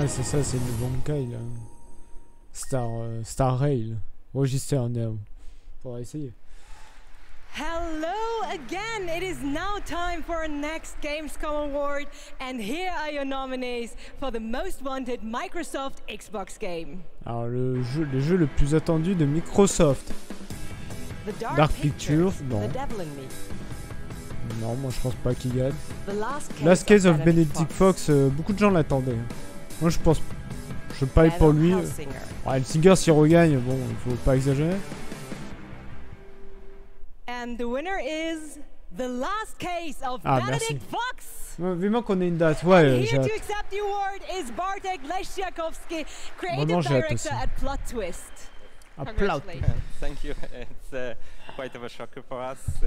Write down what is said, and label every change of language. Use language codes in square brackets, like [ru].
[fr] Ouais, c'est ça, c'est le Bankai, là. Star Rail. [en] Register now. [fr] Pour essayer. [en] Hello again! It is now time for our next Gamescom Award, and here are your nominees for the most wanted Microsoft Xbox game. [fr] Alors, le jeu le plus attendu de Microsoft. The Dark Pictures, non. The Devil and Me. Non, moi je pense pas qu'il gagne. Last Case of Benedict Fox, beaucoup de gens l'attendaient. Moi je pense. Je paye pour lui. Ouais, le singer s'il regagne, bon, faut pas exagérer. [en] And the winner is the last case of Benedict Fox. [fr] Vivement qu'on ait une date, ouais. [en] And here to accept the award is Bartek Leszczykowski, creative director at Plot Twist. A plot. Thank you. It's quite of a shocker for us.